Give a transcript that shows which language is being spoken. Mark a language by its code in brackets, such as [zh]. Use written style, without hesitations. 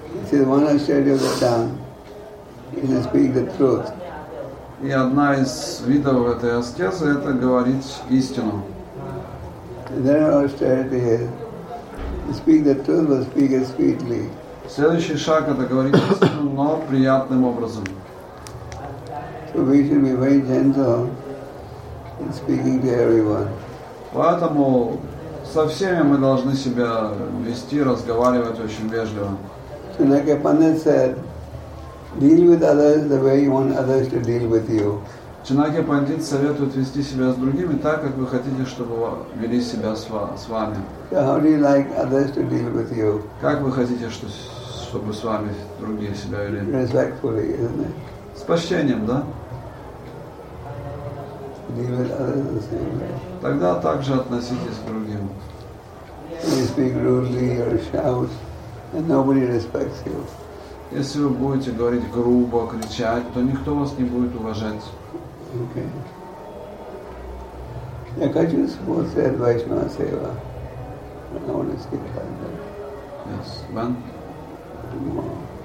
[en] He says one austerity of the tongue is to speak the truth. [ru] И одна из видов этой аскезы – это говорить истину. [en] Then austerity is to speak the truth, but speak it sweetly. [ru] Следующий шаг – это говорить истину, но приятным образом. [en] So we should be very gentle in speaking to everyone. [ru] Поэтому со всеми мы должны себя вести, разговаривать очень вежливо. [en] So like a Pandit said, deal with others the way you want others to deal with you. [ru] Чинакья пандит советует вести себя с другими так, как вы хотите, чтобы вели себя с вами. [en] So how do you like others to deal with you? [ru] Как вы хотите, чтобы с вами другие себя вели? [en] Respectfully, isn't it? [ru] С почтением, да? [en] Deal with others the same way. [ru] Тогда также относитесь к другим. [en] You speak rudely or shout, and nobody respects you. [ru] Если вы будете говорить грубо, кричать, то никто вас не будет уважать. [en] Okay. Yeah, Kachin Sumo said Vaishnava Seva. I want to skip that. Yes. When? Tomorrow.